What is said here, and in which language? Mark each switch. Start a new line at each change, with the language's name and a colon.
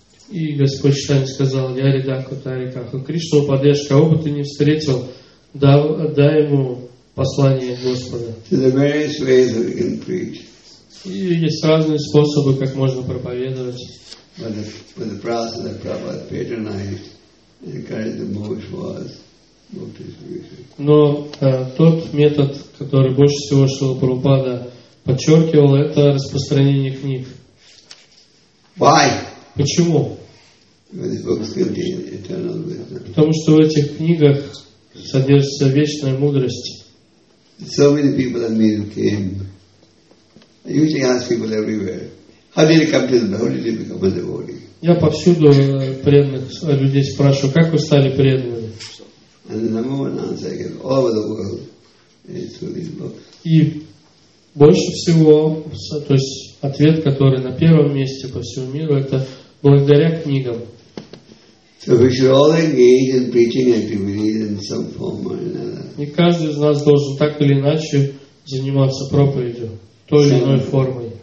Russian: И Господь Читания сказал,
Sanskrit: Ярядаку Тарикаху, Кришна Упадеш,
Russian: кого бы ты ни встретил, дай ему послание Господа.
English: To the various ways that we can preach.
Russian: И есть разные способы, как можно проповедовать.
English: But the process that Prabhupada patronized and encouraged the most was Bhakti distribution.
Russian: Но тот метод, который больше всего Шрила Прабхупада подчеркивал, это распространение книг.
English: Why?
Russian: Почему? Потому что в этих книгах содержится вечная мудрость.
English: So many people I meet came. I usually ask people everywhere, how did you come to the Lord? How did you become a devotee?
Russian: Я повсюду преданных людей спрашиваю, как вы стали преданными?
English: And the number one answer I get all over the world is through these books.
Russian: И больше всего, то есть ответ, который на первом месте по всему миру, это благодаря книгам.
English: So we should all engage in preaching activities in some form or another.
Russian: И каждый из нас должен так или иначе заниматься проповедью той или иной формой.